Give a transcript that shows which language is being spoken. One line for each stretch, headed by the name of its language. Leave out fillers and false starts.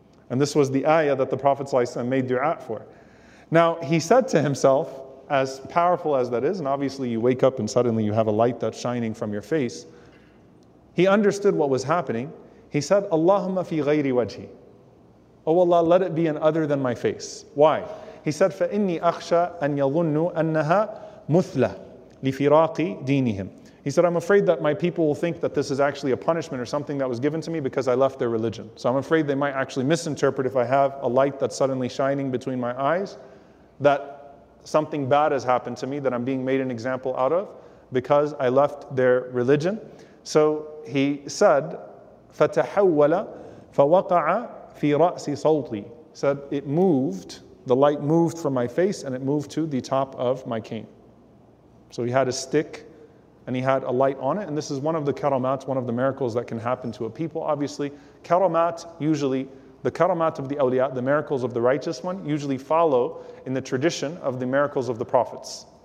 English: And this was the ayah that the Prophet ﷺ made dua for. Now, he said to himself, as powerful as that is, and obviously you wake up and suddenly you have a light that's shining from your face, he understood what was happening. He said,
Arabic: Allahumma fi ghayri wajhi.
English: Oh Allah, let it be in other than my face. Why? He said,
Arabic: فَإِنِّي أَخْشَى أَنْ يَظُنُّ أَنَّهَا مُثْلَى لِفِرَاقِ دِينِهِمْ.
English: He said, I'm afraid that my people will think that this is actually a punishment or something that was given to me because I left their religion. So I'm afraid they might actually misinterpret if I have a light that's suddenly shining between my eyes, that something bad has happened to me, that I'm being made an example out of because I left their religion. So he said,
Arabic: فَتَحَوَّلَ فَوَقَعَ فِي رَأْسِ صَوْتِي.
English: He said, it moved, the light moved from my face and it moved to the top of my cane. So he had a stick, and he had a light on it. And this is one of the karamats, one of the miracles that can happen to a people. Obviously, karamat, usually, the karamat of the awliya, the miracles of the righteous one, usually follow in the tradition of the miracles of the prophets.